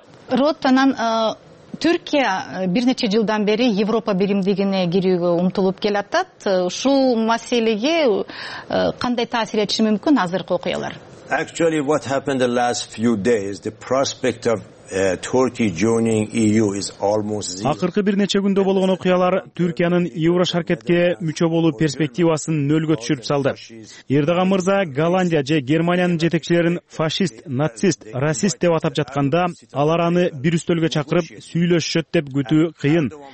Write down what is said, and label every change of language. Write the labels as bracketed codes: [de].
[ky] Роттанан Түркия бир нече жылдан бери Европа биримдигине кирүүгө умтулуп келатат. Ушул маселеге кандай таасир этиши мүмкүн азыркы окуялар? [en] Actually what happened the last few days, the prospect of Turkey joining EU is almost zero. [ky] Акыркы бир нече күндө болгон окуялар Түркиянын Евраш аракетке мүчө болуу перспективасын нөлгө түшүрүп салды. Эрдоган мырза Голландия же Германиянын жетекчилерин фашист, нацист, расист деп атап жатканда, алар аны бир үстөлгө чакырып сүйлөшүшөт деп күтүү кыйын.